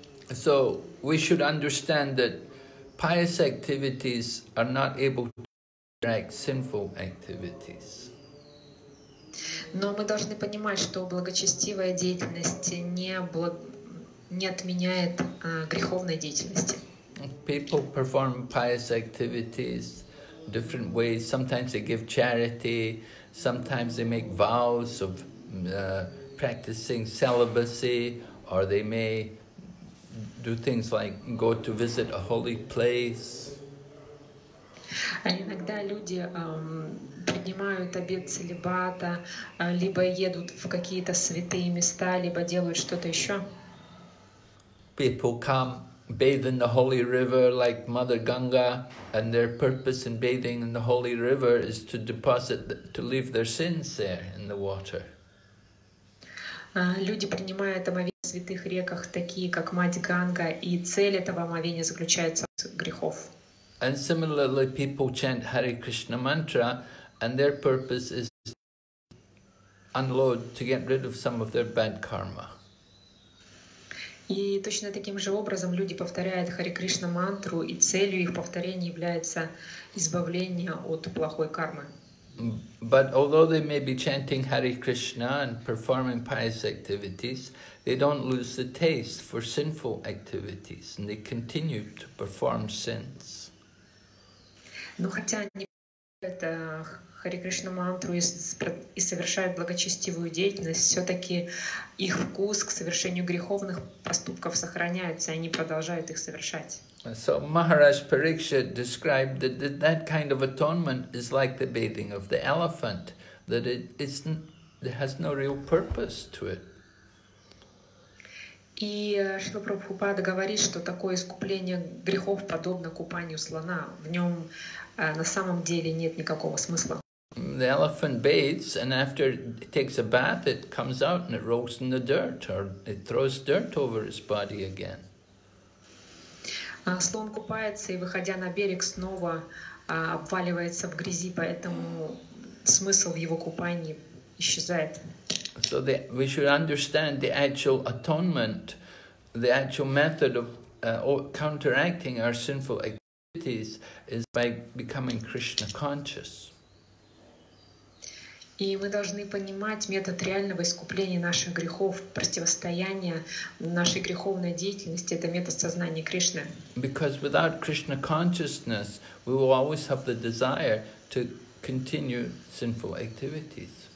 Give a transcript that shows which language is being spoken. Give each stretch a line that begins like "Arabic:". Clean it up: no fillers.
English: So we should understand that pious activities are not able to counteract sinful activities.
Russian: Но мы должны понимать, что благочестивая деятельность не отменяет греховной деятельности.
English: People perform pious activities different ways. Sometimes they give charity, sometimes they make vows of practicing celibacy, or they may do things like go to visit a holy place.
Russian: Иногда люди принимают обет целибата, либо едут в какие-то святые места, либо делают что-то еще.
English: People come bathe in the holy river like Mother Ganga, and their purpose in bathing in the holy river is to deposit, to leave their sins there in the water.
Russian: Люди принимают омовение в святых реках, такие как Мать Ганга, и цель этого омовения заключается в грехов.
English: And similarly, people chant Hare Krishna mantra, and their purpose is to unload, to get rid of some of their bad karma.
Russian: И точно таким же образом люди повторяют Хари Кришна мантру, и целью их повторения является избавление от плохой кармы.
English: But although they may be chanting Hare Krishna and performing pious activities, they don't lose the taste for sinful activities, and they continue to perform sins.
Russian: Но хотя они повторяют Хари Кришна мантру и совершают благочестивую деятельность, все-таки их вкус к совершению греховных поступков сохраняется, и они продолжают их совершать.
English: So Maharaj Parikshit described that kind of atonement is like the bathing of the elephant, that it has no real purpose to it.
Russian: И Шрила Прабхупада говорит, что такое искупление грехов подобно купанию слона, в нем на самом деле нет никакого смысла.
English: The elephant bathes, and after it takes a bath, it comes out and it rolls in the dirt, or it throws dirt over its body again.
Russian: Слон купается и, выходя на берег, снова обваливается в грязи, поэтому смысл в его купании исчезает.
English: So we should understand the actual atonement, the actual method of counteracting our sinful activities is by becoming Krishna conscious.
Russian: И мы должны понимать метод реального искупления наших грехов, противостояния нашей греховной деятельности, это метод сознания Кришны.
English: Because without Krishna consciousness, we will always have the desire to continue sinful activities.